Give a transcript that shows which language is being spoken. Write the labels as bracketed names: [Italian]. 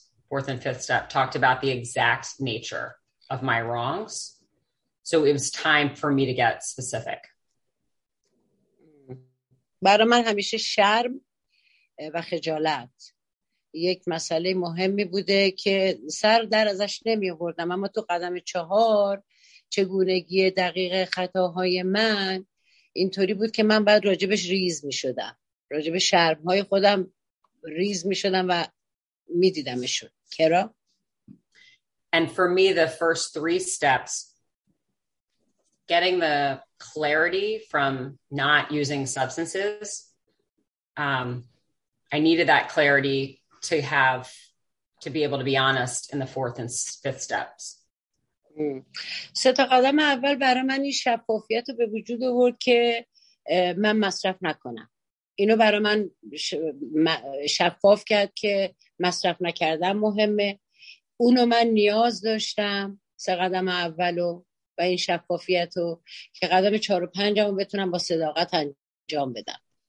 [English] Fourth and fifth step talked about the exact nature of my wrongs. So it was time for me to get specific. [Persian] برای من همیشه شرم و خجالت یک مسئله مهمی بوده که سر در ازش نمی آوردم. اما تو قدم 4 چگونگی دقیق خطاهای من اینطوری بود که من بعد راجبش ریز می شدم. راجب شرم های خودم ریز می شدم و می دیدمشون. [English] Kera? And for me, the first 3 steps, getting the clarity from not using substances, I needed that clarity to be able to be honest in the 4th and 5th steps. [Persian] سه تا قدم اول برای من این شفافیت رو به وجود آورد که من مصرف نکنم. اینو برای من شفاف کرد که مصرف نکردم مهمه. اونو من نیاز داشتم، سه قدم اولو و این شفافیتو، که قدم 4 و 5 بتونم با صداقت انجام بدم.